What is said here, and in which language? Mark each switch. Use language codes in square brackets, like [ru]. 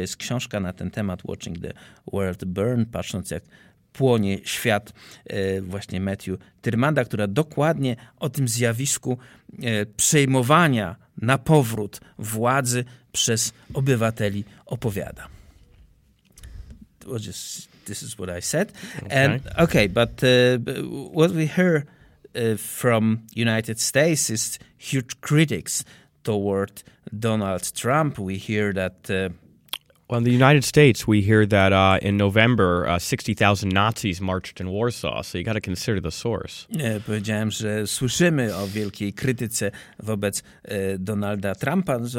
[pl] Jest książka na ten temat, Watching the World Burn, patrząc jak płonie świat, właśnie Matthew Tiermanta, która dokładnie o tym zjawisku przejmowania na powrót władzy przez obywateli opowiada. [en] This is what I said. Okay. And okay, but what we hear from United States is huge critics toward Donald Trump. We hear that In the United States, we hear that in November, 60,000 Nazis marched in Warsaw, so you got to consider the source. [pl] Powiedziałem, że słyszymy o wielkiej krytyce wobec Donalda Trumpa.